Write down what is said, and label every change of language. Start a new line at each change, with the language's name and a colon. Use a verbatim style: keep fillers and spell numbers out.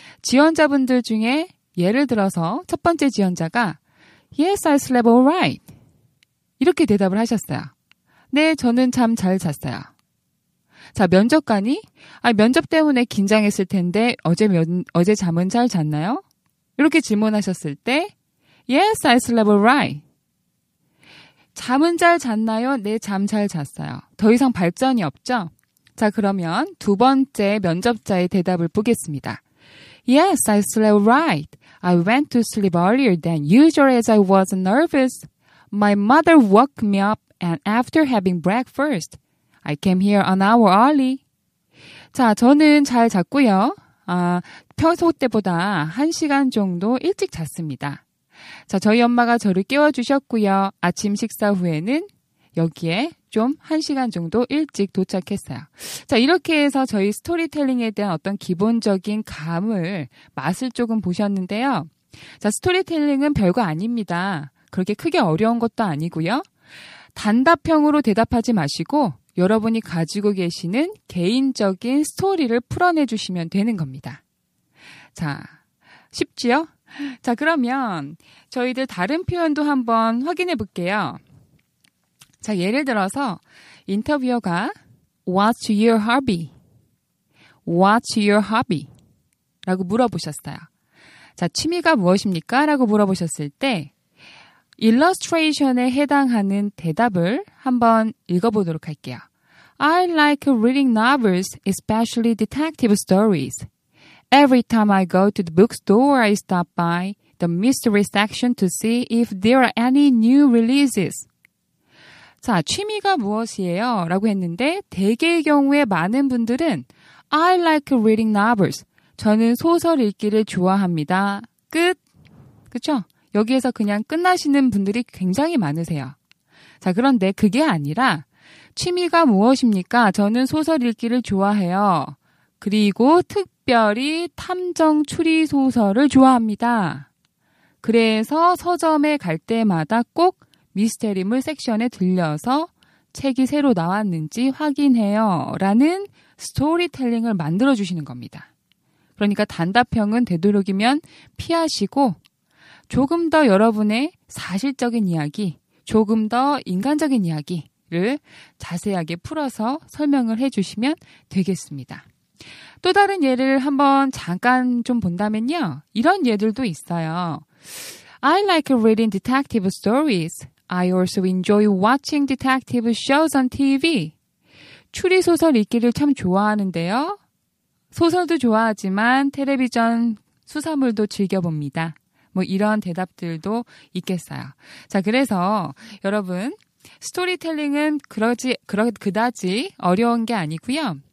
Korean: 지원자분들 중에 예를 들어서 첫 번째 지원자가
English: Yes, I slept alright.
Korean: 이렇게 대답을 하셨어요. 네, 저는 잠 잘 잤어요. 자, 면접관이 아, 면접 때문에 긴장했을 텐데 어제 면, 어제 잠은 잘 잤나요? 이렇게 질문하셨을 때
English: Yes, I slept alright.
Korean: 잠은 잘 잤나요? 네, 잠 잘 잤어요. 더 이상 발전이 없죠? 자, 그러면 두 번째 면접자의 대답을 보겠습니다.
English: Yes, I slept alright. I went to sleep earlier than usual as I was nervous. My mother woke me up and after having breakfast, I came here an hour early.
Korean: 자, 저는 잘 잤고요. 아, 평소 때보다 한 시간 정도 일찍 잤습니다. 자, 저희 엄마가 저를 깨워주셨고요. 아침 식사 후에는 여기에 좀 한 시간 정도 일찍 도착했어요. 자, 이렇게 해서 저희 스토리텔링에 대한 어떤 기본적인 감을, 맛을 조금 보셨는데요. 자, 스토리텔링은 별거 아닙니다. 그렇게 크게 어려운 것도 아니고요. 단답형으로 대답하지 마시고 여러분이 가지고 계시는 개인적인 스토리를 풀어내주시면 되는 겁니다. 자, 쉽지요? 자, 그러면 저희들 다른 표현도 한번 확인해 볼게요. 자, 예를 들어서 인터뷰어가
English: What's your hobby? What's your hobby?
Korean: 라고 물어보셨어요. 자, 취미가 무엇입니까? 라고 물어보셨을 때 일러스트레이션에 해당하는 대답을 한번 읽어보도록 할게요.
English: I like reading novels, especially detective stories. Every time I go to the bookstore, I stop by the mystery section to see if there are any new releases.
Korean: 자, 취미가 무엇이에요? 라고 했는데 대개의 경우에 많은 분들은
English: I like reading novels.
Korean: 저는 소설 읽기를 좋아합니다. 끝. 그쵸? 여기에서 그냥 끝나시는 분들이 굉장히 많으세요. 자, 그런데 그게 아니라 취미가 무엇입니까? 저는 소설 읽기를 좋아해요. 그리고 특별히 탐정 추리 소설을 좋아합니다. 그래서 서점에 갈 때마다 꼭 미스테리물 섹션에 들려서 책이 새로 나왔는지 확인해요. 라는 스토리텔링을 만들어주시는 겁니다. 그러니까 단답형은 되도록이면 피하시고 조금 더 여러분의 사실적인 이야기, 조금 더 인간적인 이야기를 자세하게 풀어서 설명을 해주시면 되겠습니다. 또 다른 예를 한번 잠깐 좀 본다면요. 이런 예들도 있어요.
English: I like reading detective stories. I also enjoy watching detective shows on 티비.
Korean: 추리소설 읽기를 참 좋아하는데요. 소설도 좋아하지만 텔레비전 수사물도 즐겨봅니다. 뭐 이런 대답들도 있겠어요. 자, 그래서 여러분 스토리텔링은 그러지 그러, 그다지 어려운 게 아니고요.